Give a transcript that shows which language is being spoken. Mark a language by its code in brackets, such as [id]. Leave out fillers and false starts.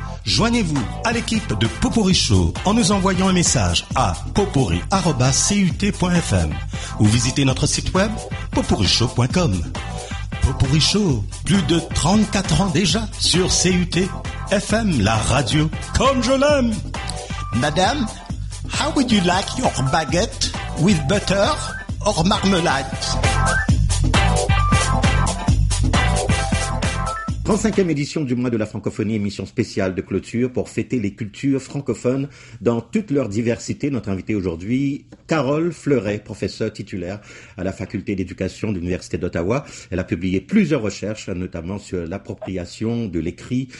[fr] Joignez-vous à l'équipe de Popourri Show en nous envoyant un message à popourri@cut.fm ou visitez notre site web popourrichaud.com. Popourri Show, plus de 34 ans déjà sur CUT FM, la radio comme je l'aime. [en] Madame, how would you like your baguette with butter or marmelade? [fr] 35e édition du mois de la francophonie, émission spéciale de clôture pour fêter les cultures francophones dans toute leur diversité. Notre invitée aujourd'hui, Carole Fleuret, professeure titulaire à la Faculté d'éducation de l'Université d'Ottawa. Elle a publié plusieurs recherches, notamment sur l'appropriation de l'écrit.